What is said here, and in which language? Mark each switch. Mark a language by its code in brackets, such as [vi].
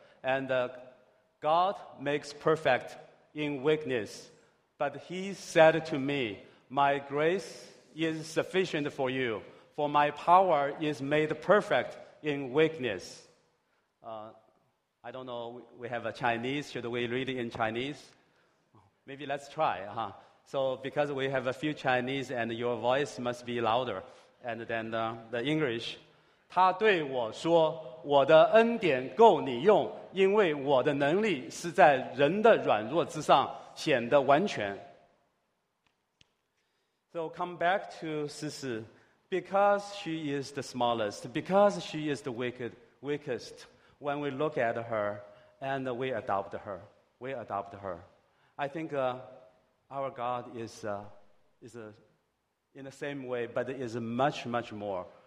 [en] And God makes perfect in weakness, but he said to me, my grace is sufficient for you, for my power is made perfect in weakness. I don't know, we have a Chinese, should we read it in Chinese? Maybe let's try, huh? So because we have a few Chinese and your voice must be louder and then the English. [zh] 他对我说,我的恩典够你用,因为我的能力是在人的软弱之上显得完全. [en] So come back to Sisi. Because she is the smallest, because she is the weakest, when we look at her and we adopt her, I think our God is in the same way, but is much, much more.